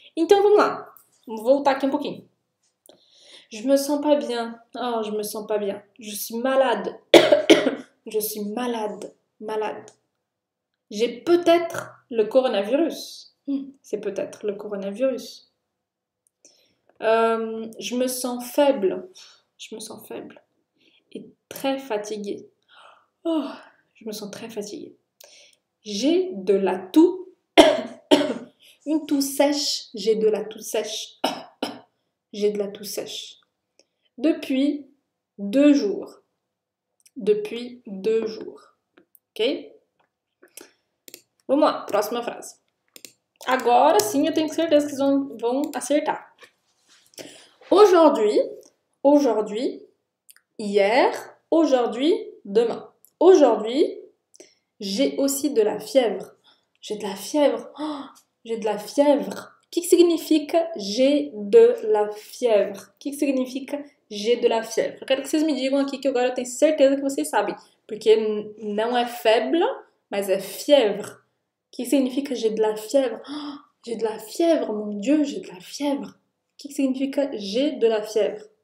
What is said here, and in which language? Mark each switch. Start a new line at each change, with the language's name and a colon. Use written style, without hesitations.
Portuguese: Então, vamos lá, vou voltar aqui um pouquinho.
French: Je me sens pas bien, oh, je me sens pas bien, je suis malade, je suis malade, malade. J'ai peut-être le coronavirus. C'est peut-être le coronavirus. Je me sens faible. Je me sens faible. Et très fatiguée. Oh, je me sens très fatiguée. J'ai de la toux. Une toux sèche. J'ai de la toux sèche. J'ai de la toux sèche. Depuis 2 jours. Depuis 2 jours. Ok?
Portuguese: Vamos lá, próxima frase. Agora sim, eu tenho certeza que eles vão acertar.
French: Aujourd'hui, aujourd'hui, hier, aujourd'hui, demain. Aujourd'hui, j'ai aussi de la fièvre. J'ai de la fièvre. Oh, j'ai de la fièvre. Que signifie j'ai de la fièvre? Que signifie j'ai de la fièvre?
Portuguese: Eu quero que vocês me digam aqui que agora eu tenho certeza que vocês sabem. Porque não é faible, mas é fièvre.
French: Que signifie que j'ai de la fièvre? Oh, j'ai de la fièvre, mon Dieu, j'ai de la fièvre. Que signifie que j'ai de la fièvre?